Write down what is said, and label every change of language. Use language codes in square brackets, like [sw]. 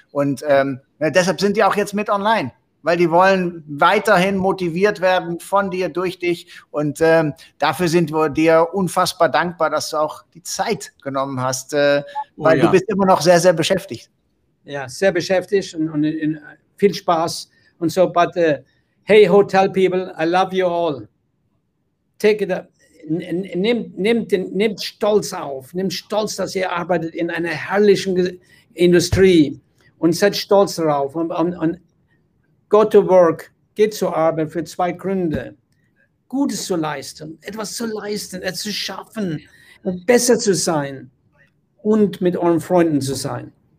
[de] Und deshalb sind die auch jetzt mit online, weil die wollen weiterhin motiviert werden von dir, durch dich. Und dafür sind wir dir unfassbar dankbar, dass du auch die Zeit genommen hast, weil du bist immer noch sehr, sehr beschäftigt. Ja, sehr beschäftigt und viel Spaß und so. [en] But hey, Hotel People, I love you all. Take it up. [de] Nehmt Stolz auf. Nehmt Stolz, dass ihr arbeitet in einer herrlichen Industrie und seid stolz darauf. Und [en] go to work. [de] Geht zur Arbeit für zwei Gründe. Gutes zu leisten, etwas zu leisten, etwas zu schaffen, besser zu sein und mit euren Freunden zu sein.